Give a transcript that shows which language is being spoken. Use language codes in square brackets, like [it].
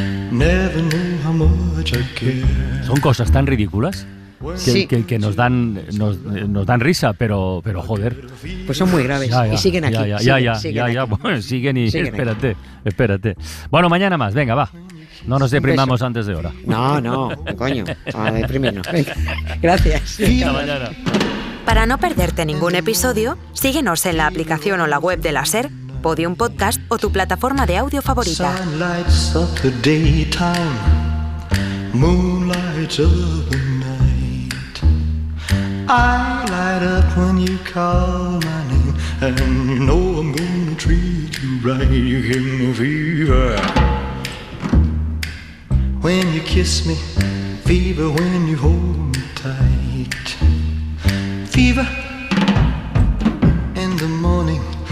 [en] Never know how much I care. [es] Son cosas tan ridículas que nos dan risa, pero joder. Pues son muy graves y siguen aquí. Siguen, espérate. Bueno, mañana más, venga, va. No nos deprimamos antes de hora. No, coño, a deprimirnos. Gracias. Hasta mañana. Para no perderte ningún episodio, síguenos en la aplicación o la web de la SER, Podium Podcast o tu plataforma de audio favorita. [en] Sunlights of the daytime, moonlights of the night. I light up when you call my name, and you know I'm gonna treat you right. You give me fever when you kiss me, fever when you hold me tight. Fever in the morning,